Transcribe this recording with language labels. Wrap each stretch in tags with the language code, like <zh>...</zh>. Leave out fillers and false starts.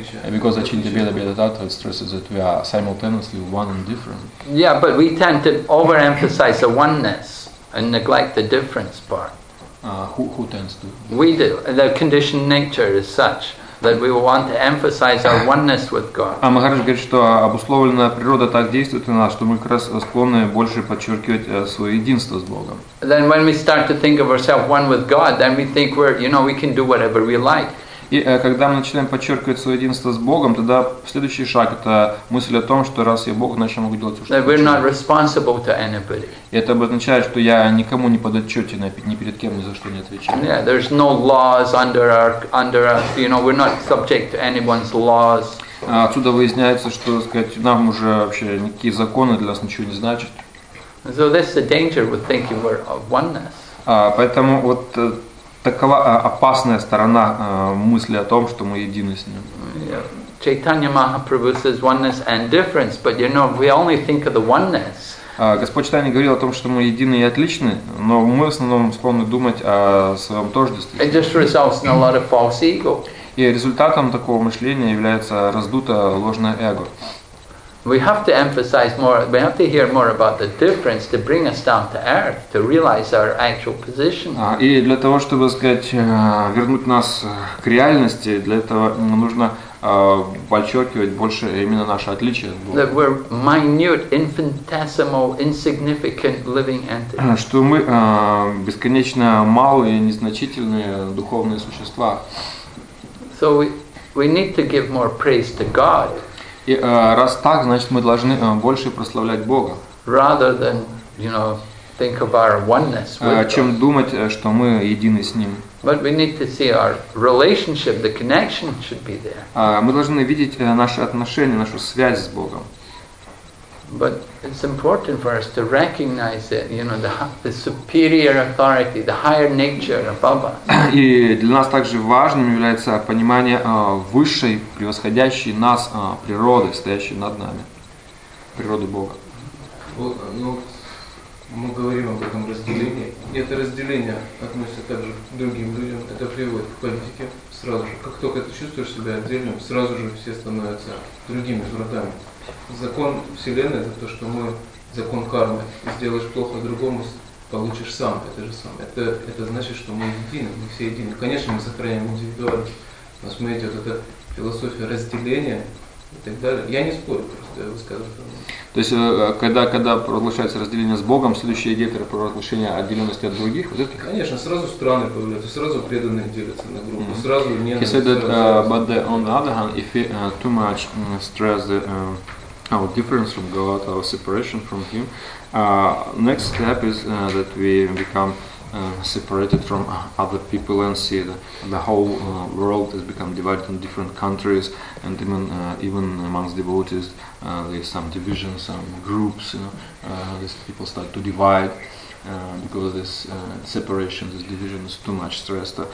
<en>Because Achintya Bheda Bheda Tattva stresses that we are simultaneously one and different. Yeah, but we tend to overemphasize the oneness and neglect the difference part. Who tends to? We do. The conditioned nature is such that we want to emphasize our oneness with God.</en> <ru>А Махарадж говорит, что обусловленная природа так действует на нас, что мы как раз склонны больше подчеркивать свое единство с Богом.</ru> <en>Then when we start to think of ourselves one with God, then we think we're, you know, we can do whatever we like.</en> <ru>И когда мы начинаем подчеркивать свое единство с Богом, тогда следующий шаг – это мысль о том, что раз я Бог, значит, я могу делать все, что хочу.</ru> <en>We're not responsible to anybody.</en> <ru>И это обозначает, что я никому не подотчетен, ни перед кем ни за что не отвечаю.</ru> <en>Yeah, there's no laws under us, you know, we're not subject to anyone's laws.</en> <ru>Отсюда выясняется, что, так сказать, нам уже вообще никакие законы для нас ничего не значат.</ru> <en>So this is the danger with thinking we're of oneness.</en> <ru>Поэтому вот... Такова опасная сторона мысли о том, что мы едины с Ним.</ru> <en>Chaitanya Mahaprabhu says oneness and difference, but you know, we only think of the oneness.</en> <ru>Господь Чайтанья говорил о том, что мы едины и отличны, но мы в основном склонны думать о своем тождестве.</ru> <en>It just results in a lot of false ego.</en> <ru>И результатом такого мышления является раздутое ложное эго.</ru> <en>We have to emphasize more, we have to hear more about the difference to bring us down to earth, to realize our actual position.</en> <ru>И для того, чтобы, сказать, вернуть нас к реальности, для этого нужно подчеркивать больше именно наше отличие от Бога.</ru> <en>That we're minute, infinitesimal, insignificant living entities.</en> <ru>Что мы бесконечно малые, незначительные духовные существа.</ru> <en>So we need to give more praise to God.</en> <ru>И раз так, значит, мы должны больше прославлять Бога,</ru> <en>rather than, you know, think of our oneness with God.</en> <ru>Чем думать, что мы едины с Ним.</ru> <en>But we need to see our relationship, the connection should be there.</en> <ru>Мы должны видеть наши отношения, нашу связь с Богом.</ru> <en>But it's important for us to recognize it, you know, the superior authority, the higher nature above us.</en> <ru>И для нас также важным является понимание высшей, превосходящей нас природы, стоящей над нами, природы Бога. Вот, ну, мы говорим об этом разделении. И это разделение относится также к другим людям. Это приводит к политике сразу же. Как только ты чувствуешь себя отдельным, сразу же все становятся другими врагами. Закон Вселенной – это то, что мы, закон кармы, сделаешь плохо другому, получишь сам, это же самое. Это значит, что мы едины, мы все едины. Конечно, мы сохраняем индивидуальность, но смотрите, вот эта философия разделения, То есть, когда проглашается разделение с Богом, следующая идея – это проглашение отделенности от других? Вот это? Конечно, сразу страны появляются, сразу преданные делятся на группы, mm-hmm. сразу ненависть.</ru> <en>He said that, but the, on the other hand, if we too much stress the our difference from God, our separation from Him, next step is that we become separated from other people and see the whole world has become divided in different countries and even amongst devotees there's some divisions, some groups, you know, these people start to divide because this separation, this division is too much stress.</en>